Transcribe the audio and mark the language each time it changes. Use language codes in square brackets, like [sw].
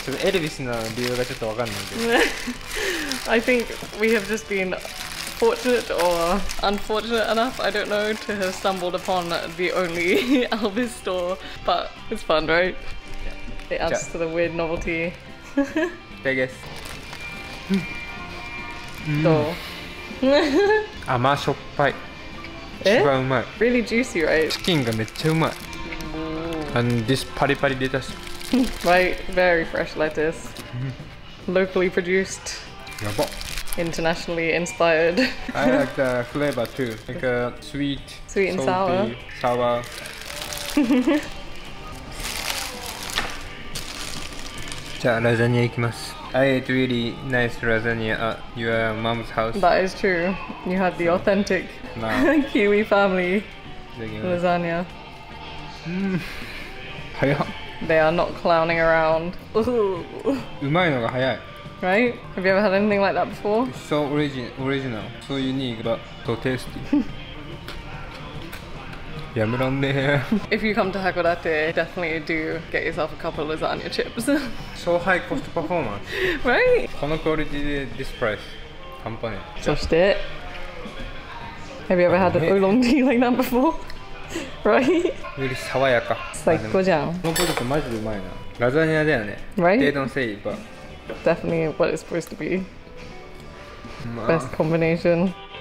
[ja] ちょっとエルビスの理由がちょっとわかんないんで。 [en] I think we have just been fortunate or unfortunate enough, I don't know, to have stumbled upon the only Elvis store. But it's fun, right? It adds to the weird novelty. Vegas. [ja] どう？甘しょっぱい。一番うまい。 [en] Really juicy, right? [ja] チキンがめっちゃうまい。 [en] And this [ja] パリパリレタス。 [en] Right, very fresh lettuce. Locally produced. Internationally inspired. I like the flavor too. Like a sweet, sweet and salty, sour. Sour. [ja] じゃあラザニア行きます。 [en] I ate really nice lasagna at your mom's house. That is true. You had the authentic Kiwi family lasagna. Hiya. They are not clowning around. [ja] うまいのが早い。 [en] Right? Have you ever had anything like that before? It's so original, so unique, but so tasty. [ja] やめらんねー。 [en] If you come to Hakodate, definitely do get yourself a couple of lasagna chips. So high cost performance. Right? [ja] このクオリティで [en] this price. [ja] 半端ない。そして、 [en] Have you ever had an oolong tea like that before? Right? [ja] より爽やか。最高じゃん。このポテトマジでうまいな。ラザニアだよね。 [en] Right? They don't say it, but... Definitely what it's supposed to be. Best combination.